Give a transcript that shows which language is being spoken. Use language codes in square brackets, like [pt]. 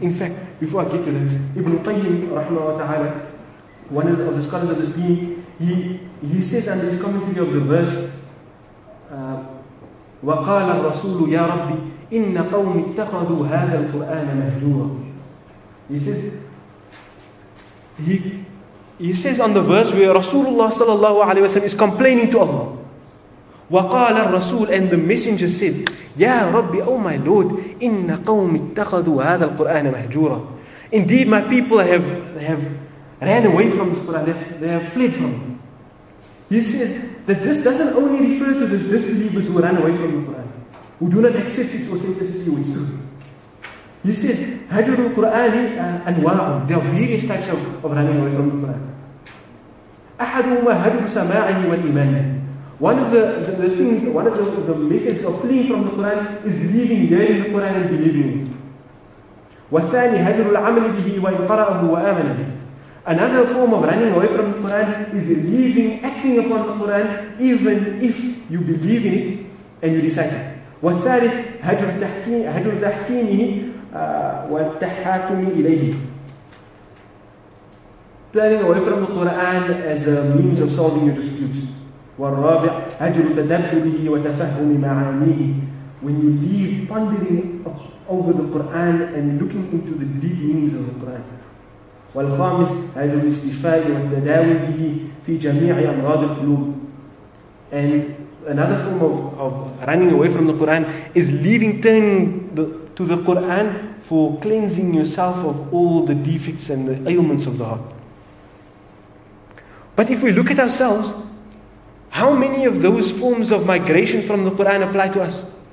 [en] In fact, before I get to that, Ibn Qayyim, rahimahu wa ta'ala, one of the scholars of this deen, he says under his commentary of the verse, [ar] وقال الرسول يا ربي إن قوم اتخذوا هذا القرآن مهجورا. [en] He says on the verse where Rasulullah sallallahu alayhi wa sallam is complaining to Allah. [ar] وقال الرسول, [en] and the messenger said, [ar] يا ربي, [en] oh my Lord, [ar] إن قوم اتخذوا هذا القرآن مهجورا. [en] Indeed, my people have ran away from this Quran. They have fled from it. He says that this doesn't only refer to the disbelievers who run away from the Quran, who do not accept its authenticity or its truth. He says, [ar] Hajar al-Quran anwa'un. [en] There are various types of running away from the Quran. [ar] Ahaduhuma hajar sama'ihi wal iman. [en] One of the things, one of the methods of fleeing from the Quran is leaving hearing the Quran and believing it. [ar] Wathani hajar al-amal bihi wa iqara'ahu wa amana bihi. [en] Another form of running away from the Quran is leaving, acting upon the Quran, even if you believe in it and you recite it. [ar] والثالث هجر تحكيم هجر تحكيمه والتحاكم إليه. [en] Turning away from the Quran as a means of solving your disputes. [ar] والرابع هجر تدبره وتفهم معانيه. [en] When you leave pondering over the Quran and looking into the deep meanings of the Quran. [ar] والخامس هجر الاستشفاء والتداوي به في جميع أمراض القلوب. [en] And another form of running away from the Quran is leaving, turning to the Quran for cleansing yourself of all the defects and the ailments of the heart. But if we look at ourselves, how many of those forms of migration from the Quran apply to us?